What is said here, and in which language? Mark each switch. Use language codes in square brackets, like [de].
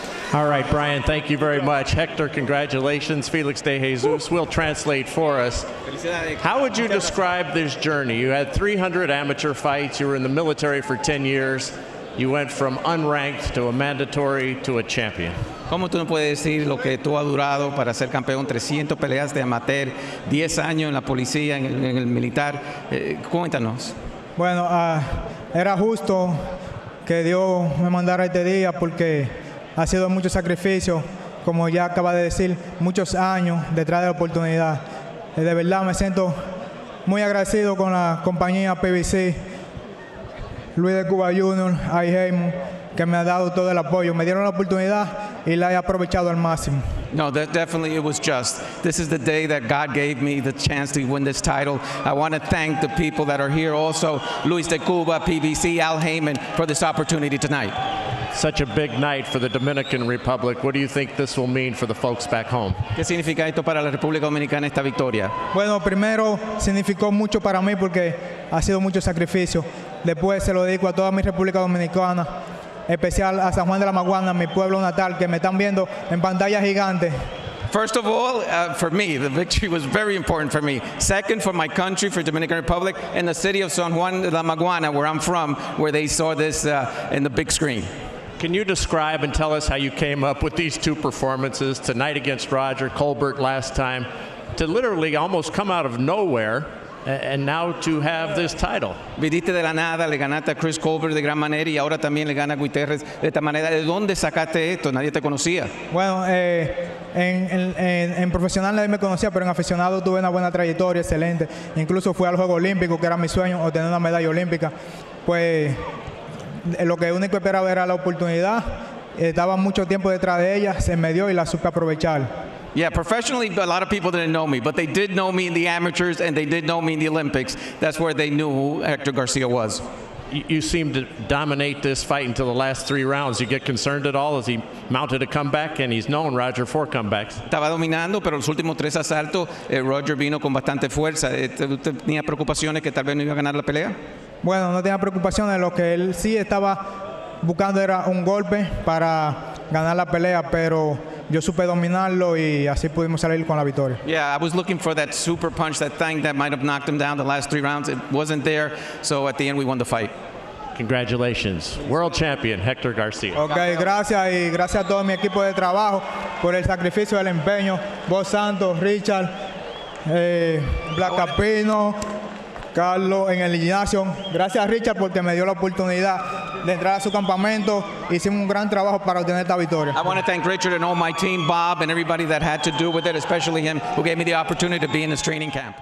[en] All right, Brian, thank you very much. Hector, congratulations. Felix de Jesus will translate for us. How would you describe this journey? You had 300 amateur fights. You were in the military for 10 years. You went from unranked to a mandatory to a champion. [es] ¿Cómo tú no puedes decir lo que tú has durado para ser campeón? 300 peleas de amateur, 10 años en la policía, en el militar. Cuéntanos. Bueno, era justo que Dios me mandara este día porque ha sido mucho sacrificio, como ya acaba de decir, muchos años detrás de la oportunidad. De verdad me siento muy agradecido con la compañía PBC, Luis de Cuba Junior, Ay Heimo, que me ha dado todo el apoyo. Me dieron la oportunidad y la he aprovechado al máximo. [en] No, that definitely it was just. This is the day that God gave me the chance to win this title. I want to thank the people that are here also, Luis de Cuba, PBC, Al Heyman, for this opportunity tonight. Such a big night for the Dominican Republic. What do you think this will mean for the folks back home? [es] ¿Qué significa esto para la República Dominicana esta victoria? Bueno, primero significó mucho para mí porque ha sido mucho sacrificio. Después se lo dedico a toda mi República Dominicana, especial a San Juan de la Maguana, mi pueblo natal, que me están viendo en pantalla gigante. [en] First of all, for me, the victory was very important for me. Second, for my country, for Dominican Republic, and the city of San Juan de la Maguana, where I'm from, where they saw this in the big screen. Can you describe and tell us how you came up with these two performances, tonight against Roger, Colbert last time, to literally almost come out of nowhere and now to have this title? [es] Viniste de la nada, le ganaste a Chris Colbert de gran manera y ahora también le gana a Gutierrez de esta manera. ¿De dónde sacaste esto? Nadie te conocía. Bueno, en profesional nadie me conocía, pero en aficionado tuve una buena trayectoria, excelente. Incluso fui al Juego Olímpico, que era mi sueño, obtener una medalla olímpica. Pues lo que único esperaba era la oportunidad. Estaba mucho tiempo detrás de ella, se me dio y la supe aprovechar. [en] Yeah, professionally, a lot of people didn't know me, but they did know me in the amateurs, and they did know me in the Olympics. That's where they knew who Hector Garcia was. You seemed to dominate this fight until the last three rounds. You get concerned at all as he mounted a comeback, and he's known, Roger, for comebacks. [es] Estaba dominando, pero los últimos tres asaltos, Roger vino con bastante fuerza. ¿Tenía preocupaciones que tal vez no iba a ganar la pelea? Bueno, no tenía preocupaciones. Lo que él sí estaba buscando era un golpe para ganar la pelea, pero yo supe dominarlo y así pudimos salir con la victoria. [en] Yeah, I was looking for that super punch, that thing that might have knocked him down the last three rounds. It wasn't there, so at the end we won the fight. Congratulations. World champion, Hector Garcia. [es] Okay, gracias y gracias a todo mi equipo de trabajo por el sacrificio, el empeño. Vos Santos, Richard, Black Capino, Carlos en el gimnasio. Gracias a Richard porque me dio la oportunidad de entrar a su campamento. Hicimos un gran trabajo para obtener esta victoria. [en] I want to thank Richard and all my team, Bob, and everybody that had to do with it, especially him, who gave me the opportunity to be in this training camp.